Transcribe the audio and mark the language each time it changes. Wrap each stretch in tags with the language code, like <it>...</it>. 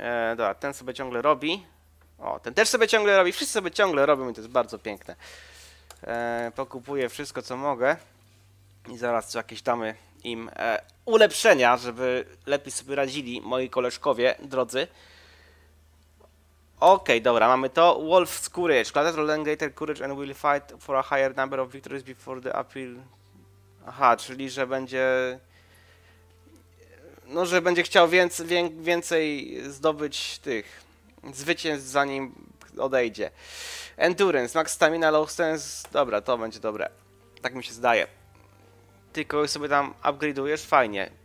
<pl>Dobra, ten sobie ciągle robi. O, ten też sobie ciągle robi. Wszyscy sobie ciągle robią i to jest bardzo piękne. Pokupuję wszystko, co mogę. I zaraz jakieś damy im ulepszenia, żeby lepiej sobie radzili moi koleżkowie, drodzy. Okej, okay, dobra, mamy to. Wolf's Courage.</pl> <en>Gladiator will gain greater courage and will fight for a higher number of victories before the appeal.</en> <pl>Aha, czyli że będzie. No, że będzie chciał więcej zdobyć tych zwycięstw, zanim odejdzie.</pl> <en>Endurance, max stamina, low sense.</en> <pl>Dobra, to będzie dobre. Tak mi się zdaje. Tylko sobie tam upgrade'ujesz, fajnie.</pl>